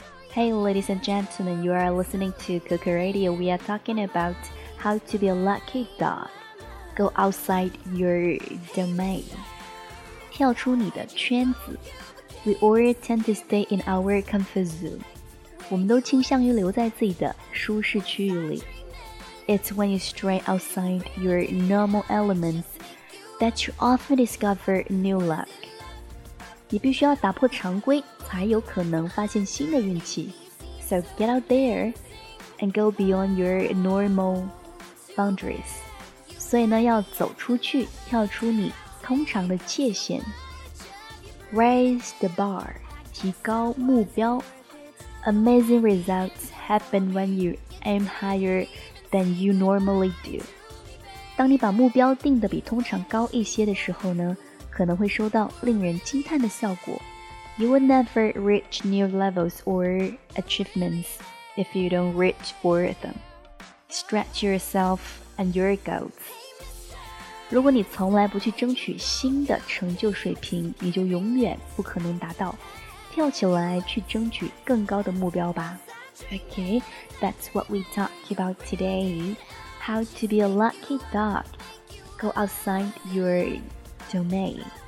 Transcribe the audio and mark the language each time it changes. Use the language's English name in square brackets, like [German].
[English] Hey, ladies and gentlemen, you are listening to Coco Radio. We are talking about how to be a lucky dog. Go outside your domain. [Chinese] 跳出你的圈子。 [English] We all tend to stay in our comfort zone. [Chinese] 我们都倾向于留在自己的舒适区域里。 [English] It's when you stray outside your normal elements that you often discover new luck. [Chinese] 你必须要打破常规才有可能发现新的运气。 [English] So get out there and go beyond your normal boundaries. [Chinese] 所以呢要走出去跳出你通常的界限。 [English] Raise the bar, [Chinese] 提高目标。 [English] Amazing results happen when you aim higher than you normally do. [Chinese] 当你把目标定得比通常高一些的时候呢，可能会收到令人惊叹的效果。 [English] You will never reach new levels or achievements if you don't reach for them. Stretch yourself and your goals. [Chinese] 如果你从来不去争取新的成就水平，你就永远不可能达到。跳起来去争取更高的目标吧。 [English] Okay, that's what we talk about today. How to be a lucky dog. Go outside your domain.